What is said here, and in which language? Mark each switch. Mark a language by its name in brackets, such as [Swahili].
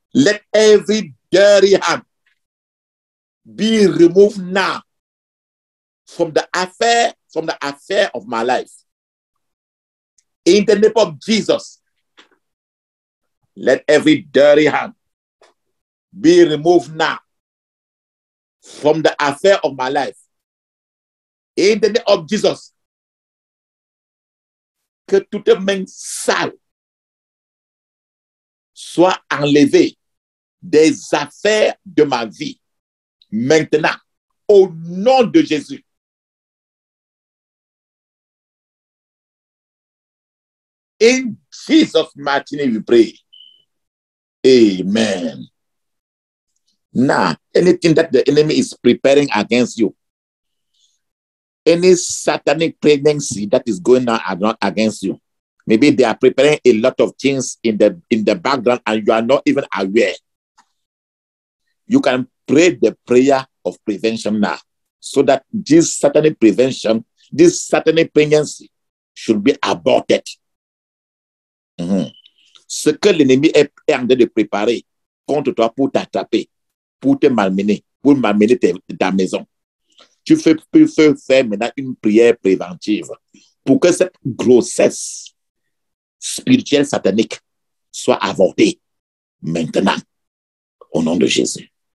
[English] Let every dirty hand be removed now from the affair of my life. In the name of Jesus, let every dirty hand be removed now from the affair of my life. In the name of Jesus. [French] Que toute main sale soit enlevée des affaires de ma vie maintenant, au nom de Jésus. [English] In Jesus' mighty name we pray. Amen. Now, anything that the enemy is preparing against you, any satanic pregnancy that is going on against you, maybe they are preparing a lot of things in the background and you are not even aware. You can pray the prayer of prevention now so that this satanic pregnancy should be aborted. Mm-hmm. [French] Ce que l'ennemi est en train de préparer contre toi pour t'attraper, pour malmener ta maison. Tu peux faire maintenant une prière préventive pour que cette grossesse spirituelle satanique soit avortée maintenant, au nom de Jésus.